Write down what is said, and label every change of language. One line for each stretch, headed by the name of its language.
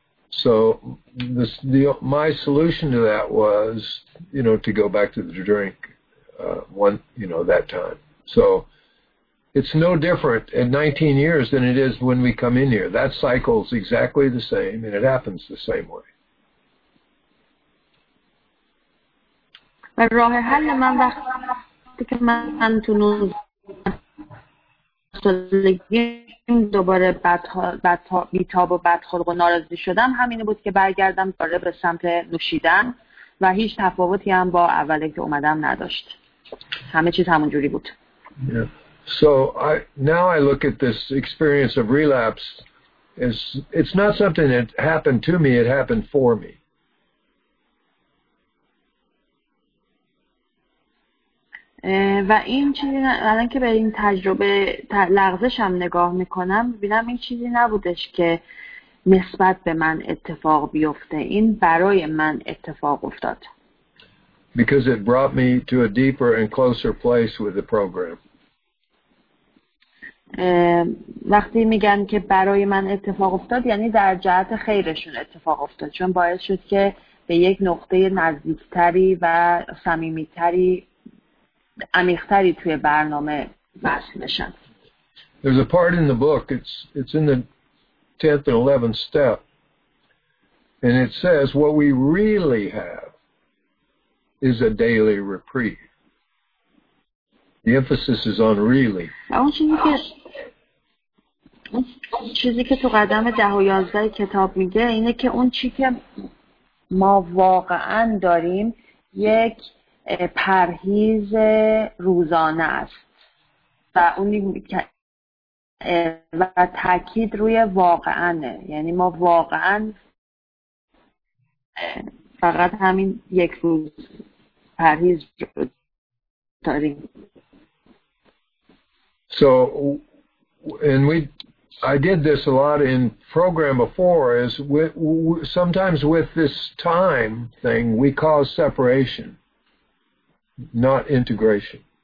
English: So my solution to that was, you know, to go back to the drink, one, you know, that time. So It's no different in 19 years than it is when we come in here. That cycle is exactly the same, and it happens the same way.
Persian: راه حل من وقتی که من تو 19 سالگی دوباره بیتاب و بدخلق و ناراضی شدم همینه بود که برگردم داره به سمت نوشیدن و هیچ تفاوتی هم با اولی که اومدم نداشت. همه چیز همون جوری بود.
English: So now I look at this experience of relapse as it's not something that happened to me, it happened for me.
Persian: و این چیزی الان که به این تجربه لغزشم نگاه میکنم ببینم این چیزی نبودش که نسبت به من اتفاق بیفته، این برای من اتفاق افتاد.
English: Because it brought me to a deeper and closer place with the program.
Persian: وقتی میگن که برای من اتفاق افتاد یعنی در جهت خیرشون اتفاق افتاد، چون باعث شد که به یک نقطه نزدیکتری و صمیمیتری عمیق‌تری توی برنامه وصل بشن.
English: There's a part in the book, it's in the 10th and 11th step, and it says what we really have is a daily reprieve. The emphasis is on really.
Persian: اون چیزی که تو قدم 10 و 11 کتاب میگه اینه که اون چیزی که ما واقعا داریم یک پرهیز روزانه است و اونی و تاکید روی واقعنه، یعنی ما واقعا فقط همین یک روز پرهیز داریم.
English: So and I did this a lot in program before is sometimes with this time thing we cause separation, not integration.